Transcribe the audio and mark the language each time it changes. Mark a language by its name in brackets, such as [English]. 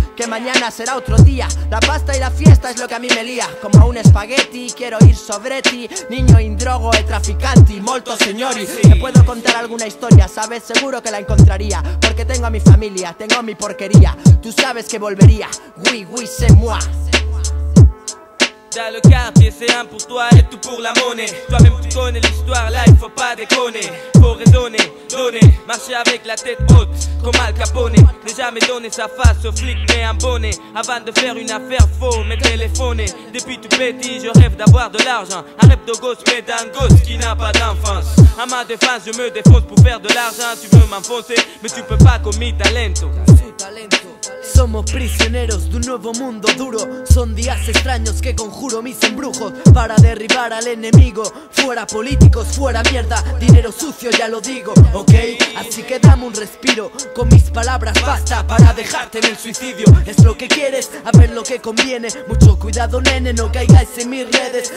[Spanish] Que mañana será otro día. La pasta y la fiesta es lo que a mí me lía. Como a un espagueti, quiero ir sobre ti. Niño indrogo, el traficante, molto señori. Te puedo contar alguna historia, sabes, seguro que la encontraría. Porque tengo a mi familia, tengo a mi porquería. Tú sabes que volvería. [French] Oui, oui, c'est moi. Dans le quartier, c'est un pour toi et tout pour la monnaie. Toi-même, tu connais l'histoire, là, il faut pas déconner. Faut raisonner, donner, marcher avec la tête haute, comme Al Capone. N'ai jamais donné sa face au flic, mais un bonnet. Avant de faire une affaire, faut me téléphoner. Depuis tout petit, je rêve d'avoir de l'argent. Un rêve de gosse, mais d'un gosse qui n'a pas d'enfance. À ma défense, je me défonce pour faire de l'argent. Tu veux m'enfoncer, mais tu peux pas [Spanish] con mi talento. Somos prisioneros de un nuevo mundo duro. Son días extraños que conjuro mis embrujos para derribar al enemigo. Fuera políticos, fuera mierda, dinero sucio, ya lo digo, ¿ok? Así que dame un respiro, con mis palabras basta para dejarte en el suicidio. Es lo que quieres, a ver lo que conviene. Mucho cuidado, nene, no caigáis en mis redes.